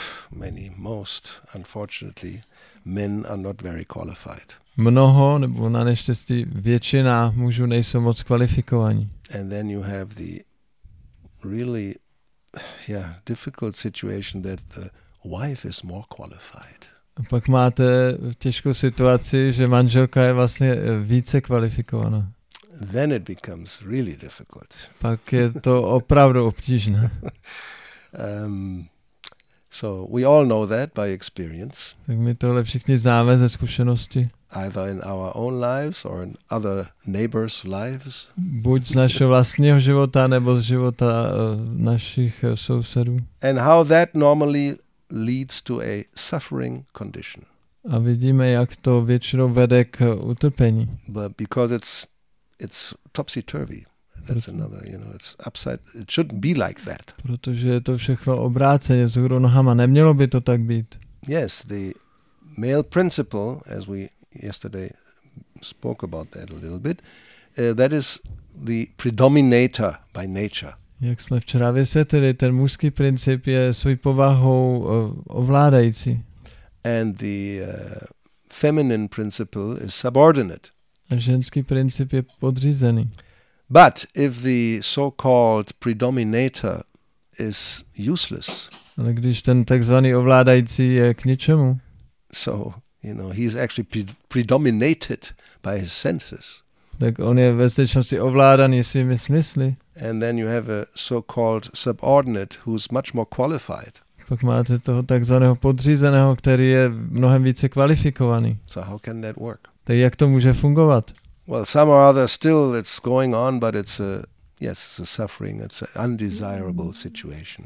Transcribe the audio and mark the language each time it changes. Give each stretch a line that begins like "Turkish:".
English: Many, most unfortunately, men are not very qualified.
Czech: Mnoho, nebo na neštěstí většina mužů nejsou moc kvalifikovaní.
English: And then you have the really difficult situation that the wife is more qualified.
Czech: A pak máte těžkou situaci, že manželka je vlastně více kvalifikovaná.
English: Then it becomes really difficult.
Czech: Pak je to opravdu obtížné.
English: So we all know that by experience.
Czech: Tak my tohle všichni známe ze zkušenosti.
English: Either in our own lives or in other neighbors' lives.
Czech: Buď z našeho vlastního života nebo z života našich sousedů.
English: And how that normally leads to a suffering condition.
Czech: A vidíme, jak to většinou vede k utrpení.
English: But because it's topsy turvy. That's another, you know, it's upside. It shouldn't be like that.
Czech: Protože je to všechno obráceně z hůru nohama. Nemělo by to tak být.
English: Yes, the male principle, as we yesterday spoke about that a little bit, that is the predominator by nature.
Czech: Jak jsme včera vysvětlili, ten mužský princip je svou povahou ovládající.
English: And the feminine principle is subordinate.
Czech: A ženský princip je podřízený.
English: But if the so-called predominator is useless,
Czech: ale když ten takzvaný ovládající je k ničemu,
English: so you know he's actually predominated by his senses.
Czech: Tak on je ve skutečnosti ovládaný svými smysly.
English: And then you have a so-called subordinate who's much more qualified.
Czech: Pak máte toho takzvaného podřízeného, který je mnohem více kvalifikovaný.
English: So how can that work?
Czech: Tak jak to může fungovat?
English: Well, some or other still it's going on, but it's a Yes, it's a suffering, it's an undesirable situation.